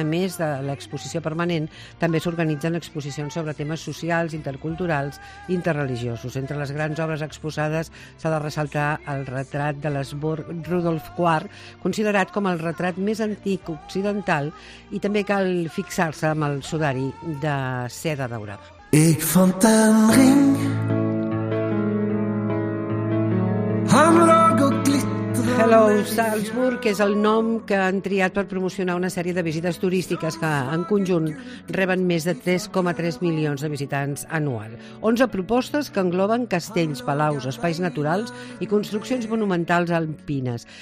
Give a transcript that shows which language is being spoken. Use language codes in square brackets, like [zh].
[ca] A més de l'exposició permanent, també s'organitzen exposicions sobre temes socials, interculturals, interreligiosos. Entre les grans obres exposades s'ha de ressaltar el retrat de l'esborg Rudolf IV, considerat com el retrat més antic occidental, i també cal fixar-se amb el sudari de seda daurada. [de] Ich fand den Ring am Lago Glitter. [ca] Hello, Salzburg és el nom que han triat per promocionar una sèrie de visites turístiques que en conjunt reben més de 3,3 milions de visitants anual. 11 propostes que engloben castells, palaus, espais naturals i construccions monumentals alpines.